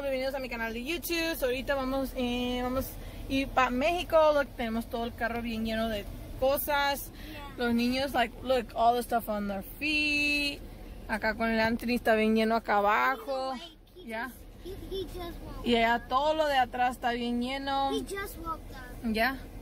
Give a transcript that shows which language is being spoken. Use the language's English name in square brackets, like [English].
[Spanish] Bienvenidos a mi canal de YouTube. So ahorita vamos a ir para México. Look, tenemos todo el carro bien lleno de cosas. Los niños, [English] like, look, all the stuff on their feet. [Spanish] Acá con el Anthony está bien lleno acá abajo. Ya. Y allá todo lo de atrás está bien lleno. Ya.